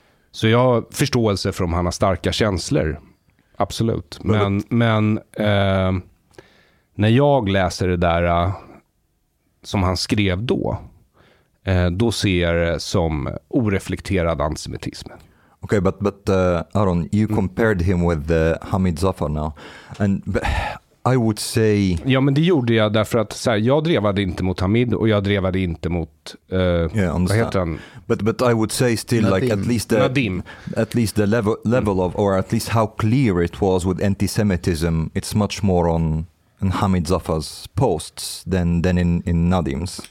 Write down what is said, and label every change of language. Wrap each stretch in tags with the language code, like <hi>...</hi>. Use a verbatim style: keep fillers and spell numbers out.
<sv>Så jag har förståelse för om han har starka känslor. Absolut. Men, men eh, när jag läser det där eh, som han skrev då, eh, då ser jag det som oreflekterad antisemitism.</sv> <en>Okay, but but uh, Aron, you compared him with uh, Hamid Zafar now, and but, I would say.</en> <sv>Ja, men det gjorde jag därför att så här, jag drevade inte mot Hamid och jag drevade inte mot eh, yeah, vad heter han?</sv> <en>But but I would say still Nadim. Like at least the Nadim. At least the level level of or at least how clear it was with antisemitism. It's much more on, on Hamid Zafar's posts than than in in Nadim's.</en>